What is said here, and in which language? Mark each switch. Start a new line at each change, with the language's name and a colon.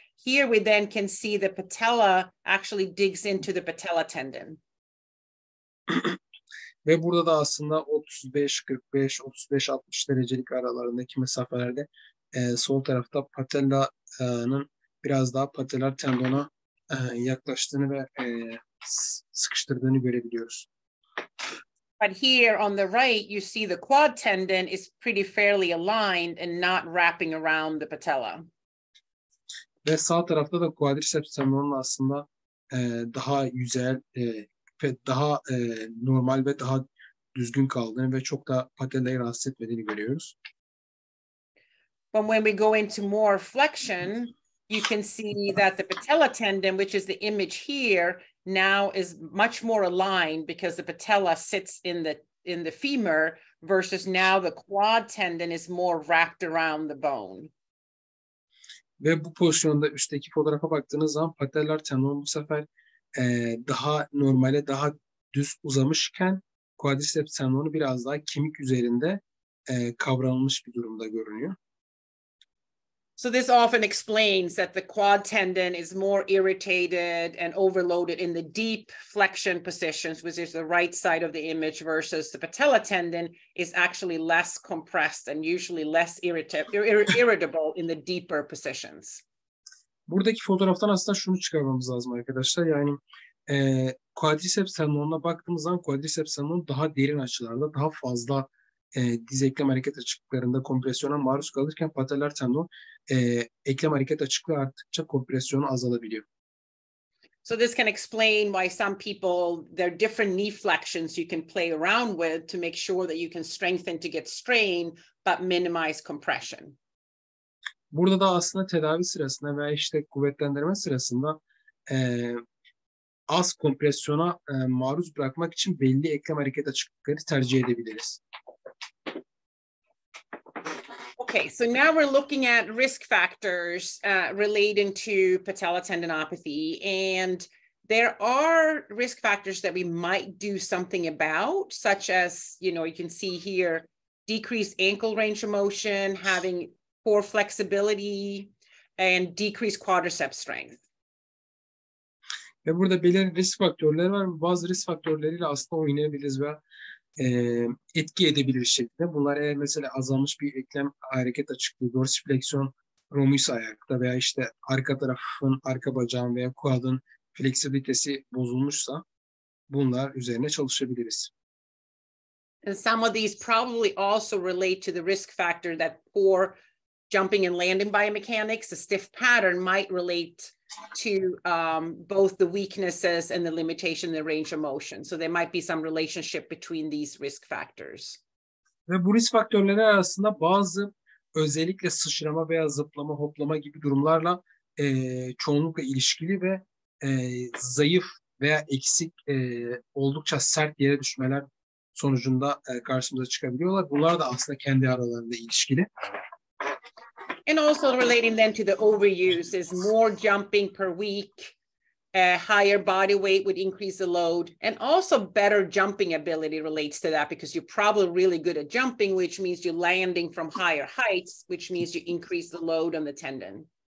English: Here we then can see the patella actually digs into the patella tendon.
Turkish: Ve burada da aslında 35-45, 35-60 derecelik aralarındaki mesafelerde sol tarafta patellanın biraz daha patellar tendona yaklaştığını ve sıkıştırdığını görebiliyoruz.
English: But here on the right you see the quad tendon is pretty fairly aligned and not wrapping around the patella.
Turkish: Ve sağ tarafta da quadriceps tendonun aslında daha yüzeyli ve daha normal ve daha düzgün kaldığını ve çok da patellayı rahatsız etmediğini görüyoruz.
English: But when we go into more flexion, you can see that the patella tendon, which is the image here, now is much more aligned because the patella sits in the femur versus now the quad tendon is more wrapped around the bone.
Turkish: Ve bu pozisyonda üstteki fotoğrafa baktığınız zaman patellar tendon bu sefer daha normale, daha düz uzamışken quadriceps tendonu biraz daha kemik üzerinde kavranmış bir durumda görünüyor.
English: So this often explains that the quad tendon is more irritated and overloaded in the deep flexion positions, which is the right side of the image, versus the patella tendon is actually less compressed and usually less irritable in the deeper positions.
Turkish: Buradaki fotoğraftan aslında şunu çıkarmamız lazım arkadaşlar. Yani quadriceps tendonuna baktığımız zaman quadriceps tendonu daha derin açılarda, daha fazla diz eklem hareket açıklarında kompresyona maruz kalırken patellar tendon eklem hareket açıklığı arttıkça kompresyonu azalabiliyor.
English: So this can explain why some people, there are different knee flexions you can play around with to make sure that you can strengthen to get strain but minimize compression.
Turkish: Burada da aslında tedavi sırasında veya işte kuvvetlendirme sırasında az kompresyona maruz bırakmak için belli eklem hareket açıklıkları tercih edebiliriz.
English: Okay, so now we're looking at risk factors relating to patella tendinopathy, and there are risk factors that we might do something about, such as, you know, you can see here, decreased ankle range of motion, having poor flexibility, and decreased quadricep strength.
Turkish: Ve burada belirli risk faktörleri var. Bazı risk faktörleriyle aslında oynayabiliriz ve etki edebilir şekilde. Bunlar eğer mesela azalmış bir eklem hareket açıklığı, dorsifleksiyon, romius ayakta veya işte arka tarafın, arka bacağın veya quad'ın fleksibilitesi bozulmuşsa bunlar üzerine çalışabiliriz.
English: And some of these probably also relate to the risk factor that poor jumping and landing biomechanics, a stiff pattern might relate to both the weaknesses and the limitation in the range of motion. So there might be some relationship between these risk factors.
Turkish: Ve bu risk faktörleri arasında bazı özellikle sıçrama veya zıplama, hoplama gibi durumlarla çoğunlukla ilişkili ve zayıf veya eksik oldukça sert yere düşmeler sonucunda karşımıza çıkabiliyorlar. Bunlar da aslında kendi aralarında ilişkili.
English: And also relating then to the overuse is more jumping per week, a higher body weight would increase the load, and also better jumping ability relates to that because you're probably really good at jumping, which means you're landing from higher heights, which means you increase the load on the tendon.